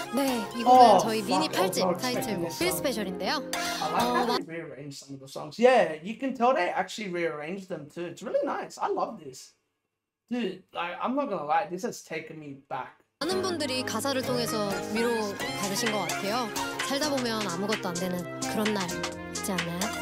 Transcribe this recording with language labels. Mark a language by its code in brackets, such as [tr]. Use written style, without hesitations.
[ko] 네, 이거는 저희 미니 8집 타이틀곡 필 스페셜인데요. [en] I like how they rearranged some of the songs. Yeah, you can tell they actually rearranged them too. It's really nice. I love this. Dude, like, I'm not gonna lie, this has taken me back. [ko] 많은 분들이 가사를 통해서 위로 받으신 것 같아요. 살다 보면 아무것도 안 되는 그런 날 있지 않나요?